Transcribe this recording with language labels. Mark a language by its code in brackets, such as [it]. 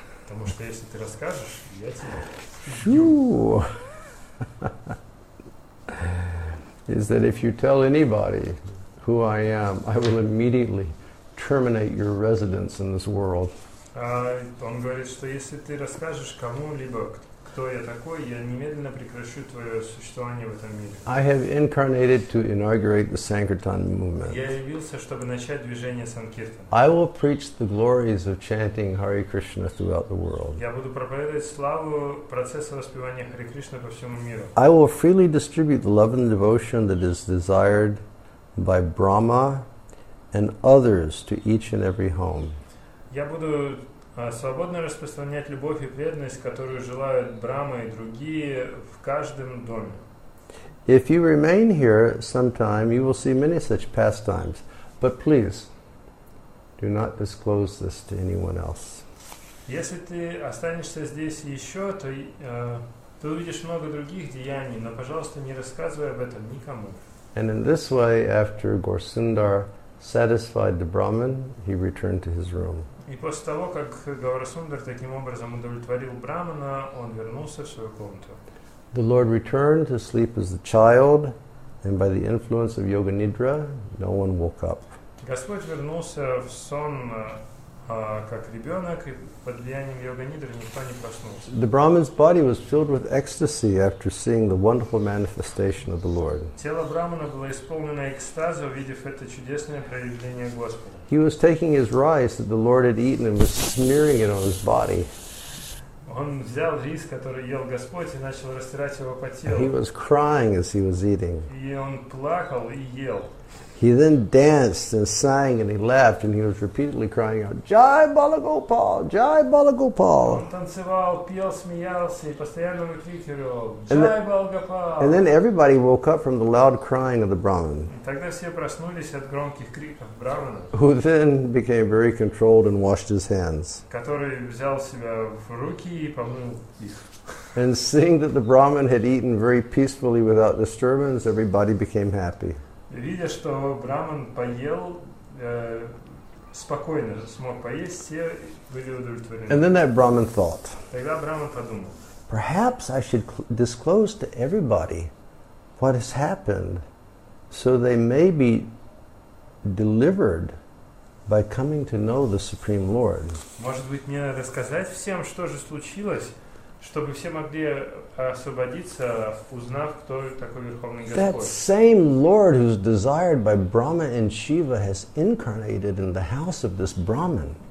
[ru] Потому что если ты расскажешь, я тебя... Фью! [en] Is that if you tell anybody who I am, I will immediately terminate your residence in this world. [ru] Он говорит, что если ты расскажешь кому-либо, кто я такой, я немедленно прекращу твое существование в этом мире. [en] I have incarnated to inaugurate the Sankirtan movement. [ru] Я явился, чтобы начать движение Санкиртан. [en] I will preach the glories of chanting Hare Krishna throughout the world. [ru] Я буду проповедовать славу процесса воспевания Харе Кришна по всему миру. [en] I will freely distribute the love and devotion that is desired by Brahma and others to each and every home. [ru] Я буду свободно распространять любовь и преданность, которую желают Брахма и другие в каждом доме. [en] If you remain here sometime, you will see many such pastimes. But please, do not disclose this to anyone else. [ru] Если ты останешься здесь еще, то ты увидишь много других деяний, но, пожалуйста, не рассказывай об этом никому. [en] And in this way, after Gaurasundara satisfied the Brahmin, he returned to his room. [ru] И после того, как Гаурасундар таким образом удовлетворил Брахмана, он вернулся в свою комнату. [en] The Lord returned to sleep as a child, and by the influence of Yoga Nidra, no one woke up. [ru] Господь вернулся в сон как ребенок, и под влиянием Йога Нидры никто не проснулся. [en] The Brahmin's body was filled with ecstasy after seeing the wonderful manifestation of the Lord. [ru] Тело Брахмана было исполнено экстаза, увидев это чудесное проявление Господа. [en] He was taking his rice that the Lord had eaten and was smearing it on his body. [ru] Он взял рис, который ел Господь, и начал растирать его по телу. [en] And he was crying as he was eating. [ru] И он плакал и ел. [en] He then danced and sang and he laughed and he was repeatedly crying out, Jai Balagopal, Jai Balagopal. [ru] Он танцевал, пел, смеялся и постоянно выкрикивал, Jai Balagopal. [en] And then everybody woke up from the loud crying of the Brahmin. [ru] Тогда все проснулись от громких криков Брахмана. [en] Who then became very controlled and washed his hands. [ru] Который взял себя в руки и помыл их. [en] And seeing that the Brahmin had eaten very peacefully without disturbance, everybody became happy. [ru] Видя, что Брахман поел, спокойно смог поесть, все были удовлетворены. [en] And then that Brahman thought, [ru] тогда Брахман подумал, [en] perhaps I should disclose to everybody what has happened, so they may be delivered by coming to know the Supreme Lord. [ru] Может быть, мне надо сказать всем, что же случилось, чтобы все могли освободиться, узнав, кто такой Верховный Господь. [en] That same Lord who's desired by Brahma and Shiva has incarnated in the house of this Brahmin.